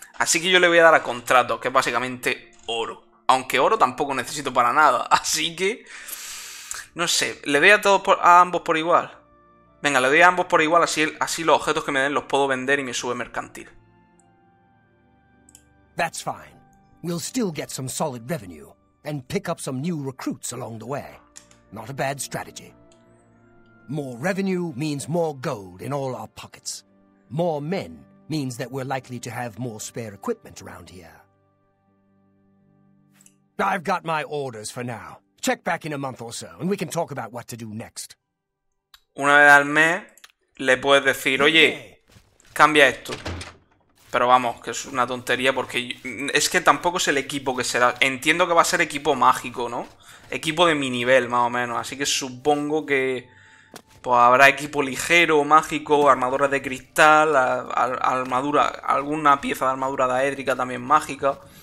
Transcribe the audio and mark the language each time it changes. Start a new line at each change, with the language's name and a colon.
Spanish: Así que yo le voy a dar a contrato, que es básicamente oro. Aunque oro tampoco necesito para nada, así que... No sé, le doy a todos a ambos por igual. Venga, le doy a ambos por igual, así los objetos que me den los puedo vender y me sube mercantil.
English: That's fine. We'll still get some solid revenue and pick up some new recruits along the way. Not a bad strategy. More revenue means more gold in all our pockets. More men means that we're likely to have more spare equipment around here. I've got my orders for now. Check back in a month or so, and we can talk about what to do next.
Spanish: Una vez al mes, le puedes decir, oye, cambia esto. Pero vamos, que es una tontería porque es que tampoco es el equipo que será. Entiendo que va a ser equipo mágico, ¿no? Equipo de mi nivel, más o menos. Así que supongo que pues habrá equipo ligero, mágico, armaduras de cristal, armadura, alguna pieza de armadura daédrica también mágica.